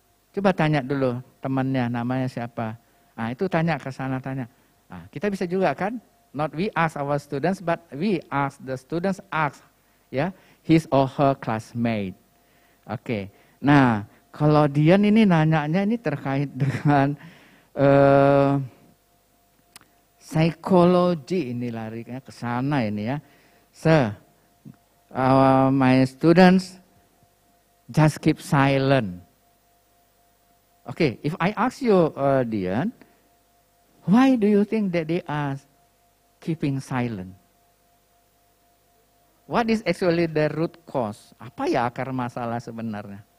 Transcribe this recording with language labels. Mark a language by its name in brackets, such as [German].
[Indonesian] Coba tanya dulu temannya, namanya siapa. Ah, itu tanya ke sana, tanya. Ah, kita bisa juga kan? [English] Not we ask our students, but we ask the students ask. Yeah. His or her classmate. Okay. [Indonesian] Nah, kalau Dian ini nanyanya ini terkait dengan psikologi, ini larinya ke sana ini ya. [English] Sir, my students just keep silent. Okay, if I ask you, Dian, why do you think that they are keeping silent? What is actually the root cause? [Indonesian] Apa ya akar masalah sebenarnya?